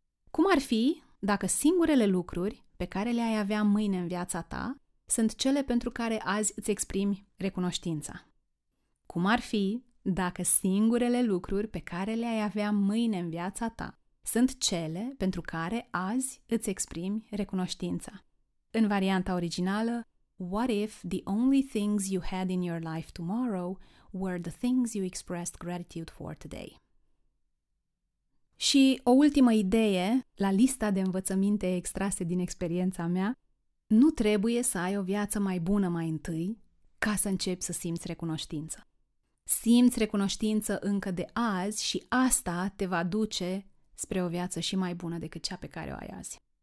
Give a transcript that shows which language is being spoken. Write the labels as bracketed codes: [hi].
[ro] Cum ar fi dacă singurele lucruri pe care le-ai avea mâine în viața ta sunt cele pentru care azi îți exprimi recunoștința? Cum ar fi dacă singurele lucruri pe care le-ai avea mâine în viața ta sunt cele pentru care azi îți exprimi recunoștința? În varianta originală, [en] what if the only things you had in your life tomorrow were the things you expressed gratitude for today? [ro] Și o ultimă idee la lista de învățăminte extrase din experiența mea, nu trebuie să ai o viață mai bună mai întâi ca să începi să simți recunoștință. Simți recunoștință încă de azi și asta te va duce spre o viață și mai bună decât cea pe care o ai azi.